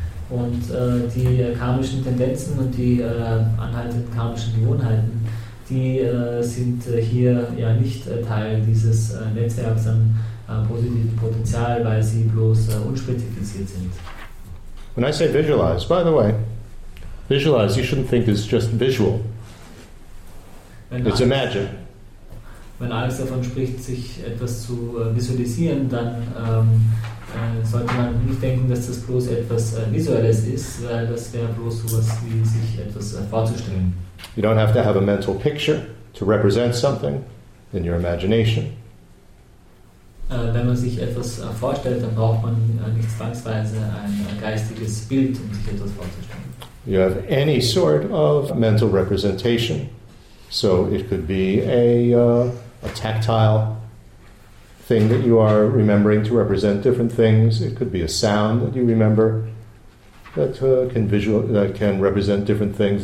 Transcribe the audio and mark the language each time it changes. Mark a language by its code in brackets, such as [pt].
[de] Und die karmischen Tendenzen und die anhaltenden karmischen Gewohnheiten, die sind hier ja nicht Teil dieses Netzwerks an positivem Potenzial, weil sie bloß unspezifiziert sind. [en] When I say visualize, by the way, visualize, you shouldn't think it's just visual. It's imagine. [de] Wenn alles davon spricht, sich etwas zu visualisieren, dann sollte man nicht denken, dass das bloß etwas Visuelles ist, weil das wäre bloß sowas wie sich etwas vorzustellen. [en] You don't have to have a mental picture to represent something in your imagination. [de] Wenn man sich etwas vorstellt, dann braucht man nicht zwangsweise ein geistiges Bild, um sich etwas vorzustellen. [en] You have any sort of mental representation. So it could be a a tactile thing that you are remembering to represent different things. It could be a sound that you remember that can represent different things.